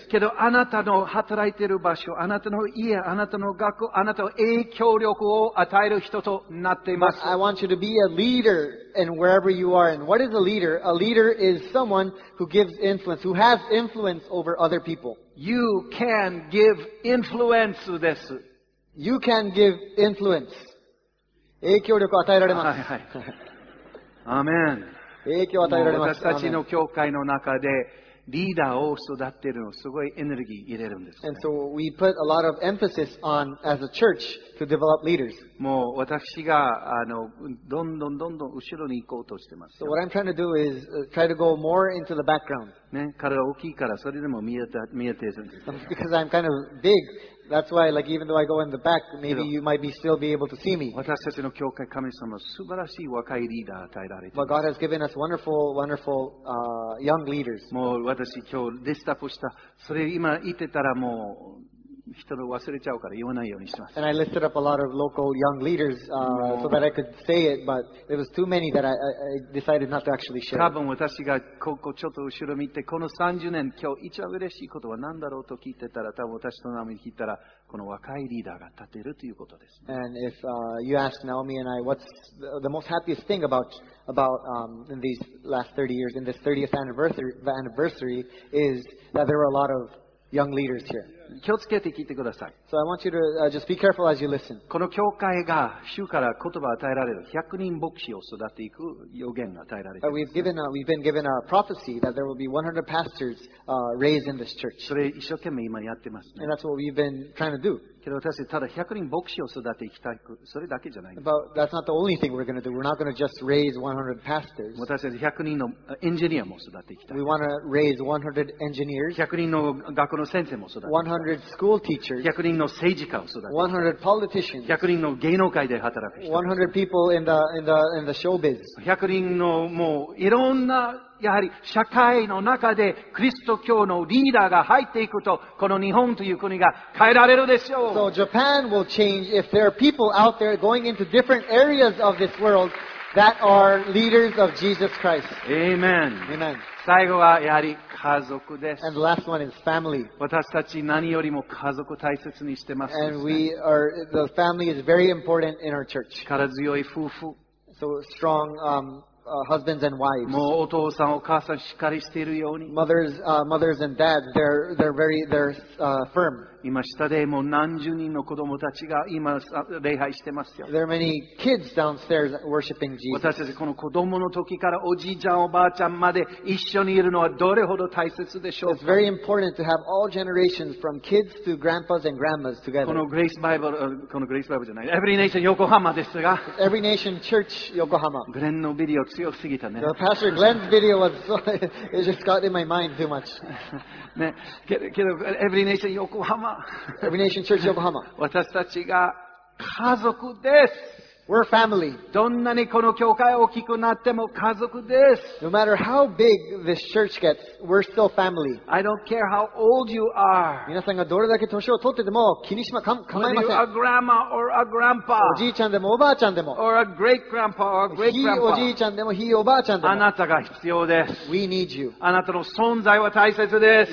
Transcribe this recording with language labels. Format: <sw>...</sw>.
<ja>けど、あなたの働いている場所、あなたの家、あなたの学校、あなたの影響力を与える人となっています。</ja> <en>I want you to be a leader in wherever you are. And what is a leader? A leader is someone who gives influence, who has influence over other people. You can give influence</en> <ja>です。</ja> <en>You can give influence.</en> <ja>影響力を与えられます。はいはい。アーメン。影響を与えられます。私たちの教会の中でリーダーを育っているのをすごいエネルギー入れるんです、ね。</ja> <en>And so we put a lot of emphasis on as a church to develop leaders.</en> <ja>もう私がどんどんどんどん後ろに行こうとしてます。</ja> <en>So what I'm trying to do is try to go more into the background.</en> <ja>ね、体大きいからそれでも見えているんです。</ja> <en>Because I'm kind of big. That's why, like, even though I go in the back, maybe you might be still be able to see me.</en> <ja>私たちの教会、神様、素晴らしい若いリーダー与えられています</ja> <en>。But God has given us wonderful, wonderful, young leaders.</en> <ja>もう私今日リストアップした。それ今言ってたらもう人の忘れちゃうから言わないようにします。</ja> <en>And I listed up a lot of local young leaders, so that I could say it, but there was too many that I decided not to actually share.</en> <ja>多分私がここちょっと後ろ見て、この30年、今日一番嬉しいことは何だろうと聞いてたら、多分私の名前聞いたら、この若いリーダーが立てるということです、ね。</ja> <en>And if, you ask Naomi and I, what's the most happiest thing about in these last 30 years, in this 30th anniversary, is that there were a lot of young leaders here.</en> <ja>気をつけて聞いてください。</ja> <en>So I want you to just be careful as you listen.</en> <ja>この教会が主から言葉を与えられる100人牧師を育っていく予言が与えられています。</ja> <en>We've been given a prophecy that there will be 100 pastors raised in this church.</en> <ja>それ一生懸命今やってますね。</ja> <en>And that's what we've been trying to do.</en> <ja>けど私ただ100人牧師を育てていきたい、それだけじゃない。</ja> <en>But that's not the only thing we're going to do. We're not going to just raise 100 pastors.</en> <ja>私たち100人のエンジニアも育てていきたい。</ja> <en>We want to raise 100 engineers.</en> <ja>100人の学校の先生も育てていきたい。</ja> <en>100 school teachers,</en> <ja>100人の政治家を育てて、</ja> <en>100 politicians,</en> <ja>100人の芸能界で働く人、</ja> <en>100 people in the showbiz,</en> <ja>100人のもういろんなやはり社会の中でキリスト教のリーダーが入っていくと、この日本という国が変えられるでしょう。</ja> <en>So Japan will change if there are people out there going into different areas of this world that are leaders of Jesus Christ. Amen. Amen.</en> <ja>最後はやはり家族です。</ja> <en>And the last one is family.</en> <ja>私たち何よりも家族を大切にしてます、ね。</ja> <en>And we are, the family is very important in our church.</en> <ja>力強い夫婦。</ja> <en>So strong, husbands and wives.</en> <ja>もうお父さんお母さんしっかりしているように。</ja> <en>Mothers and dads, they're firm.</en> <ja>今下でもう何十人の子供たちが今礼拝してますよ。</ja> <en>There are many kids downstairs worshiping Jesus.</en> <ja>私たちこの子供の時からおじいちゃんおばあちゃんまで一緒にいるのはどれほど大切でしょうか。</ja> <en>It's very important to have all generations from kids to grandpas and grandmas together.</en> <ja>このグレイスバイブじゃない。 Every Nation Yokohama ですが。</ja> <en>Every Nation Church Yokohama.</en> <ja>グレンのビデオ強すぎたね。</ja> <en>The Pastor Glenn's video was so, it just got in my mind too much.</en> <ja>ね、けど Every Nation Yokohama.</ja> <en>Every Nation Church Yokohama.</en> <ja>私たちが家族です。</ja> <en>We're family.</en> <ja>どんなにこの教会大きくなっても家族です。</ja> <en>No matter how big this church gets, we're still family. I don't care how old you are.</en> <ja>皆さんがどれだけ年を取ってても気にしま、構いません。</ja> <en>Whether you're a grandma or a grandpa.</en> <ja>おじいちゃんでもおばあちゃんでも。</ja> <en>Or a great grandpa or a great grandpa.</en> <ja>ひいおじいちゃんでもひいおばあちゃんでも。あなたが必要です。</ja> <en>We need you.</en> <ja>あなたの存在は大切です。</ja>